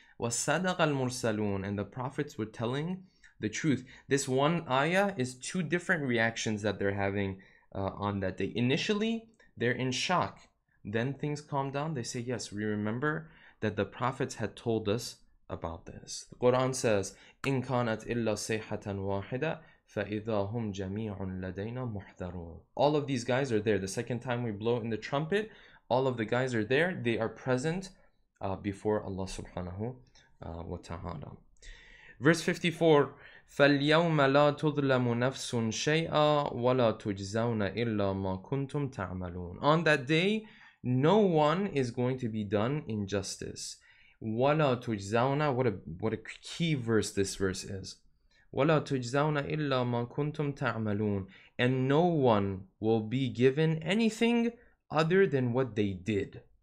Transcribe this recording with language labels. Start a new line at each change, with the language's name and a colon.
Arabic: وَصَدَقَ الْمُرْسَلُونَ.
English: And the prophets were telling the truth. This one ayah is two different reactions that they're having on that day. Initially, they're in shock. Then things calm down. They say, yes, we remember that the prophets had told us about this. The Quran says,
Arabic: إِنْ كَانَتْ إِلَّا سَيْحَةً وَاحِدَةً فَإِذَا هُمْ جَمِيعٌ لَدَيْنَا مُحْذَرُونَ.
English: All of these guys are there. The second time we blow in the trumpet, all of the guys are there. They are present before Allah subhanahu wa ta'ala. Verse 54,
Arabic: فَالْيَوْمَ لَا تُظْلَمُ نَفْسٌ شَيْئًا وَلَا تُجْزَوْنَ إِلَّا مَا كُنْتُمْ تَعْمَلُونَ.
English: On that day, no one is going to be done injustice.
Arabic: وَلَا تُجْزَوْنَ,
English: what a key verse this verse is.
Arabic: وَلَا تُجْزَوْنَ إِلَّا مَا كُنْتُمْ تَعْمَلُونَ.
English: And no one will be given anything other than what they did.